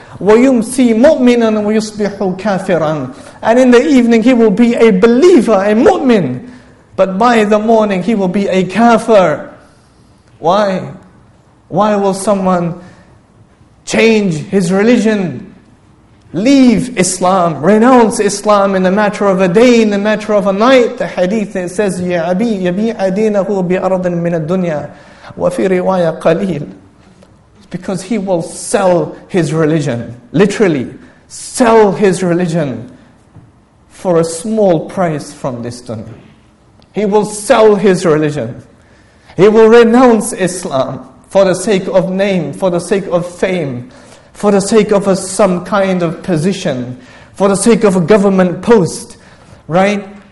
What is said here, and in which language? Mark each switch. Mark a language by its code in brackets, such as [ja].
[ar] وَيُمْسِي مُؤْمِنًا وَيُصْبِحُ كَافِرًا. [en] And in the evening he will be a believer, a mu'min. But by the morning he will be a kafir. Why? Why will someone change his religion, leave Islam, renounce Islam in a matter of a day, in a matter of a night? The hadith says, [ar] يَبِيعَ دِينَهُ بِأَرْضٍ مِنَ الدُّنْيَا وَفِي رِوَايَةٍ قَلِيلٍ. [en] Because he will sell his religion, literally, sell his religion for a small price from this dunya. He will sell his religion. He will renounce Islam for the sake of name, for the sake of fame, for the sake of some kind of position, for the sake of a government post, right?